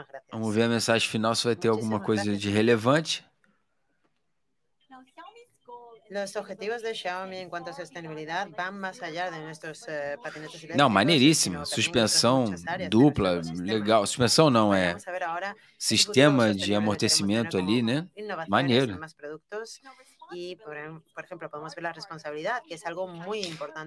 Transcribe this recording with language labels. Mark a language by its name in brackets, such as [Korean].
[Portuguese] vamos ver a mensagem final, se vai ter alguma coisa de relevante. [Spanish] Los objetivos de Xiaomi en cuanto a sostenibilidad van más allá de nuestros patinetes eléctricos. [Portuguese] Não, maneiríssimo. Suspensão dupla, legal. Suspensão não, é sistema de amortecimento ali, né? Maneiro. E, por exemplo, podemos ver a responsabilidade, que é algo muito importante.